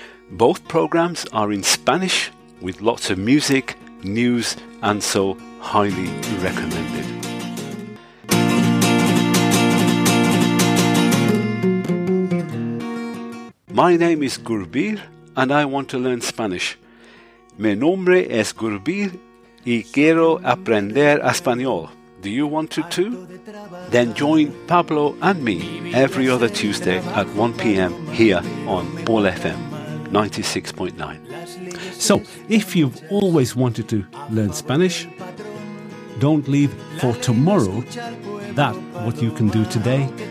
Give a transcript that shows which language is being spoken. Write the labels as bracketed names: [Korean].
[English] Both programs are in Spanish with lots of music, news, and so highly recommended. My name is Gurbir and I want to learn Spanish. [Spanish] Mi nombre es Gurbir y quiero aprender español. [English] Do you want to too? Then join Pablo and me every other Tuesday at 1 p.m. here on Ball FM 96.9. So, if you've always wanted to learn Spanish, don't leave for tomorrow that what you can do today.